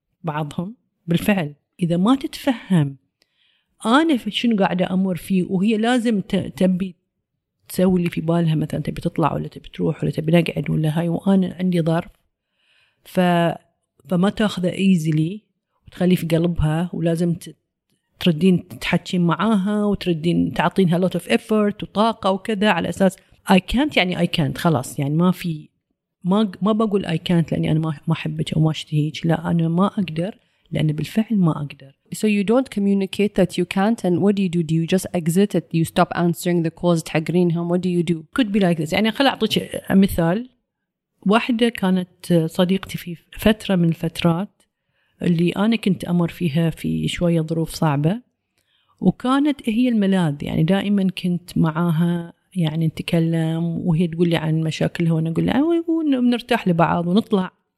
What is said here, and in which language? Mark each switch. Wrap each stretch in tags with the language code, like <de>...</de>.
<ar>بعضهم بالفعل إذا ما تتفهم أنا في شنو قاعدة أمر فيه وهي لازم تبي تسوي اللي في بالها، مثلا تبي تطلع ولا تبي تروح ولا تبي نقعد ولا هاي، وأنا عندي ظرف فما تأخذ easily وتخلي في قلبها ولازم تردين تحكين معاها وتردين تعطينها</ar> <en>lot of effort</en> <ar>وطاقة وكذا على أساس</ar> <en>I can't.</en> <ar>يعني</ar> <en>I can't</en> <ar>خلاص، يعني ما بقول I can't لأني أنا ما أحبك أو ما أشتهيك، لا أنا ما أقدر لأن بالفعل ما أقدر.</ar> <en>So you don't communicate that you can't, and what do you do? Do you just exit it? You stop answering the calls,</en> <ar>تحقرينهم؟</ar> <en>What do you do? Could be like this.</en> <ar>يعني خل أعطيك مثال. واحدة كانت صديقتي في فترة من الفترات اللي أنا كنت أمر فيها في شوية ظروف صعبة، وكانت هي الملاذ، يعني دائما كنت معاها يعني نتكلم وهي تقول لي عن مشاكلها وأنا أقول لها ونرتاح لبعض ونطلع.</ar>